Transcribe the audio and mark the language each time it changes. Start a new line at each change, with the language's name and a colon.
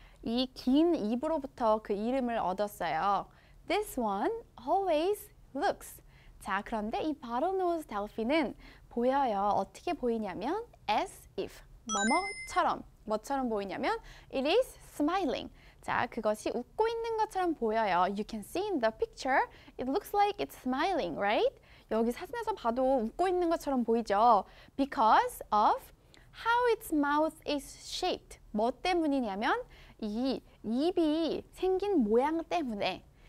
Korean: 이 긴 입으로부터 그 이름을 얻었어요.
English: This one always looks.
Korean: 자, 그런데 이 bottlenose dolphin은 보여요. 어떻게 보이냐면
English: as if,
Korean: 뭐뭐처럼. 뭐처럼 보이냐면
English: it is smiling.
Korean: 자, 그것이 웃고 있는 것처럼 보여요.
English: You can see in the picture, it looks like it's smiling, right?
Korean: 여기 사진에서 봐도 웃고 있는 것처럼 보이죠?
English: Because of how its mouth is shaped.
Korean: 뭐 때문이냐면 이 입이 생긴 모양 때문에.